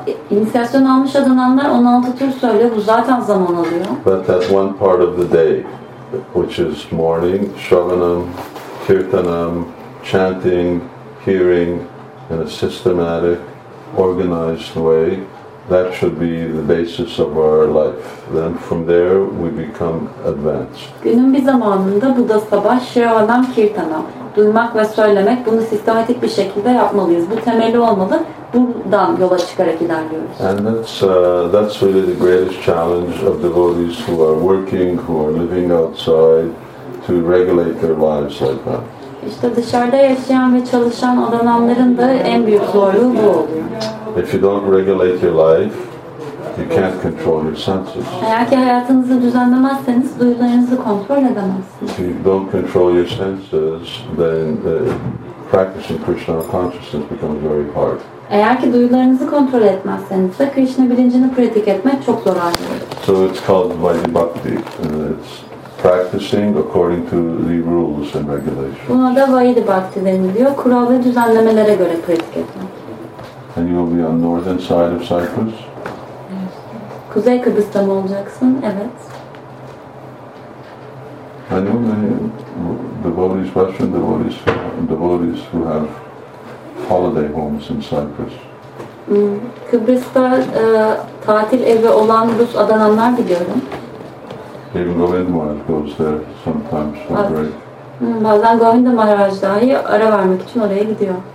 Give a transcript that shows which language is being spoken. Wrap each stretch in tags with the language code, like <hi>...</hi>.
<tr>İnisiyasyon almış adananlar 16 tur söylüyor, bu zaten zaman alıyor.</tr> <en>But that one part of the day, which is morning, shravanam, kirtanam, chanting, hearing in a systematic, organized way, that should be the basis of our life. Then from there we become advanced.</en> <tr>Günün bir zamanında bu da sabah şravanam, kirtanam, duymak ve söylemek, bunu sistematik bir şekilde yapmalıyız. Bu temeli olmalı. Buradan yola çıkarak ilerliyoruz.</tr> <en>And that's really the greatest challenge of devotees who are working, who are living outside, to regulate their lives like that.</en> <tr>İşte dışarıda yaşayan ve çalışan adananların da en büyük zorluğu bu oluyor.</tr> <en>If you don't regulate your life, you can't control your senses.</en> <tr>Eğer ki hayatınızı düzenlemezseniz, duyularınızı kontrol edemezsiniz.</tr> <en>If you don't control your senses, then practicing Krishna consciousness becomes very hard.</en> <tr>Eğer ki duyularınızı kontrol etmezseniz de Krishna bilincini pratik etmek çok zor hale gelir.</tr> <en>So it's called Vaidhi Bhakti. It's practicing according to the rules and regulations.</en> <tr>Buna da Vaidhi Bhakti deniliyor. Kural ve düzenlemelere göre pratik etmek.</tr> <en>And you'll be on northern side of Cyprus?</en> <tr>Kuzey Kıbrıs'ta mı olacaksın? Evet.</tr> <en>I know many devotees, Russian devotees, devotees who have holiday homes in Cyprus.</en> <tr>Kıbrıs'ta tatil evi olan Rus Adananlar biliyorum.</tr> <en>Even Govind Maharaj goes there sometimes for break.</en> <tr>Bazen Govind Maharaj dahi ara vermek için oraya gidiyor.</tr>